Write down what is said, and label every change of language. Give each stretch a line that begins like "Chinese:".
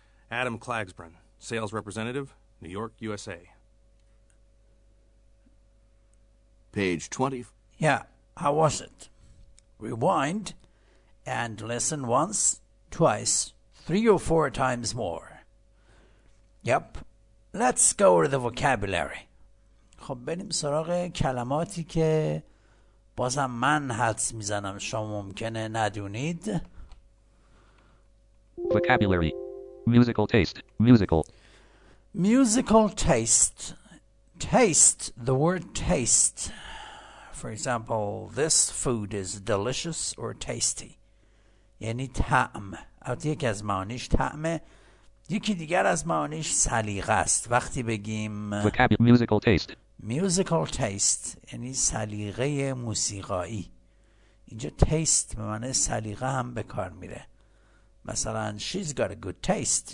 English: Adam Klagsbrun, Sales Representative, New York, USA. Page 20. Yeah, how was it? Rewind and listen once, twice, three or four times more. Yep, let's go over the vocabulary.
Persian: خب بریم سراغ کلماتی که بازم من حدس میزنم شما ممکنه ندونید.
English: Vocabulary. Musical taste. Musical. Musical taste. Taste, the word taste. For example, this food is delicious or tasty.
Persian: یعنی طعم. حتی یک از معانیش طعمه. یکی دیگر از معانیش سلیقه است. وقتی بگیم
English: musical taste.
Persian: Musical taste یعنی سلیقه موسیقایی. اینجا taste به معنی سلیقه هم به کار میره. مثلا
English: she's got a good taste.